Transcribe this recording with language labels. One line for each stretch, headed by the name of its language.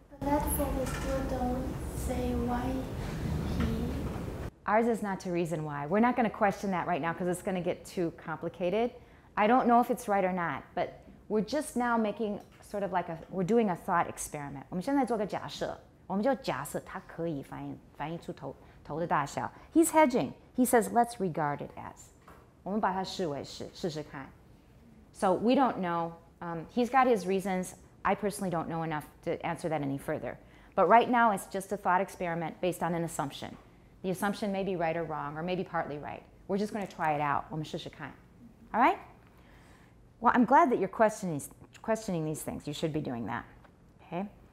English: Latifoga still don't say why he... Ours is not to reason why. We're not going to question that right now because it's going to get too complicated. I don't know if it's right or not, but we're just now making sort of like a, we're doing a thought experiment.
Chinese: 我们现在做个假设。我们就假设他可以反映出头的大小。
English: He's hedging. He says, let's regard it as.
Chinese: 我们把它视为是，试试看。
English: So we don't know. He's got his reasons. I personally don't know enough to answer that any further. But right now it's just a thought experiment based on an assumption. The assumption may be right or wrong, or maybe partly right. We're just going to try it out.
Chinese: 我们试试看。
English: All right? Well, I'm glad that you're questioning these things. You should be doing that. Okay?